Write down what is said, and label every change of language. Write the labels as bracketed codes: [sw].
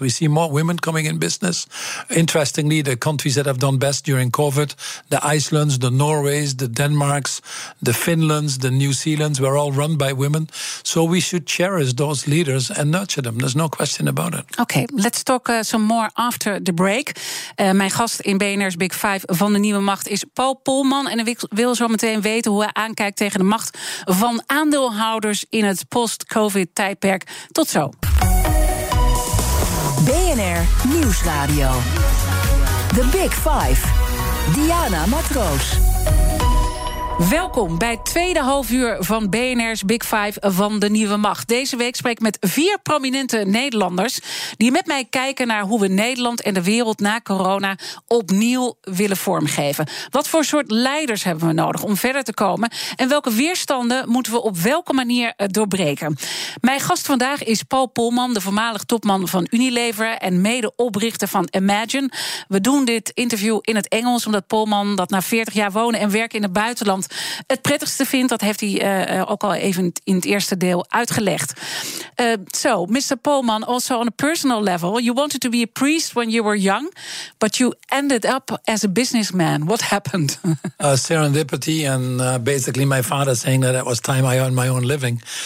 [en] We see more women coming in business. Interestingly, the countries that have done best during COVID, the Icelands, the Norways, the Denmarks, the Finlands, the New Zealands, were all run by women. So we should cherish those leaders and nurture them. There's no question about it. Okay, let's talk some more after the break. [nl] Mijn gast in BNR's Big Five van de Nieuwe Macht is Paul Polman. En ik wil zo meteen weten hoe hij aankijkt tegen de macht van aandeelhouders in het post-COVID-tijdperk. Tot zo. BNR Nieuwsradio. The Big Five. Diana Matroos. Welkom bij het tweede halfuur van BNR's Big Five van de Nieuwe Macht. Deze week spreek ik met vier prominente Nederlanders die met mij kijken naar hoe we Nederland en de wereld na corona opnieuw willen vormgeven. Wat voor soort leiders hebben we nodig om verder te komen? En welke weerstanden moeten we op welke manier doorbreken? Mijn gast vandaag is Paul Polman, de voormalig topman van Unilever en medeoprichter van Imagine. We doen dit interview in het Engels omdat Polman, dat na 40 jaar wonen en werken in het buitenland, het prettigste vindt, dat heeft hij ook al even in het eerste deel uitgelegd. [en] So, Mr. Polman, also on a personal level, you wanted to be a priest when you were young, but you ended up as a businessman. What happened? Serendipity and basically my father saying that it was time I earned my own living.